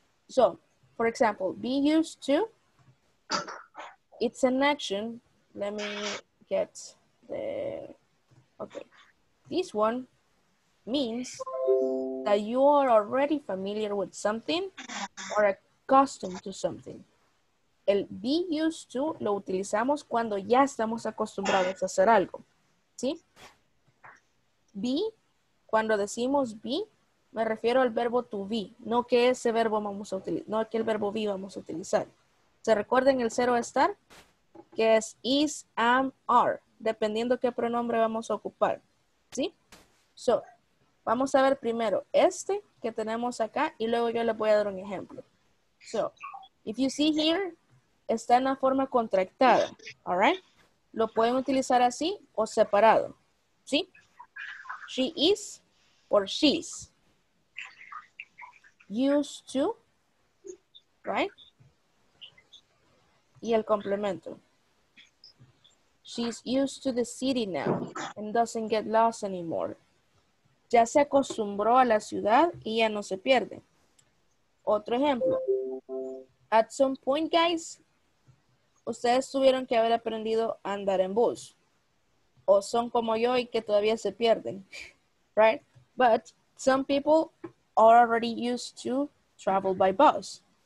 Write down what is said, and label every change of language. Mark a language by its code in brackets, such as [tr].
[en] So, for example, be used to, it's an action. Let me get the, okay. This one means that you are already familiar with something or accustomed to something. [es] El be used to lo utilizamos cuando ya estamos acostumbrados a hacer algo. ¿Sí? Be, cuando decimos be, me refiero al verbo to be. No que ese verbo vamos a utilizar, no que el verbo be vamos a utilizar. ¿Se recuerdan el cero estar? Que es is, am, are, dependiendo qué pronombre vamos a ocupar. ¿Sí? So, vamos a ver primero este que tenemos acá y luego yo les voy a dar un ejemplo. [en] So, if you see here, [es] está en la forma contractada. [en] All right? [es] Lo pueden utilizar así o separado. ¿Sí? [en] She is or she's. [es] Used to. Right? Y el complemento. [en] She's used to the city now and doesn't get lost anymore. [es] Ya se acostumbró a la ciudad y ya no se pierde. Otro ejemplo. [en] At some point, guys, [es] ustedes tuvieron que haber aprendido a andar en bus. O son como yo y que todavía se pierden. [en] Right? But some people are already used to travel by bus.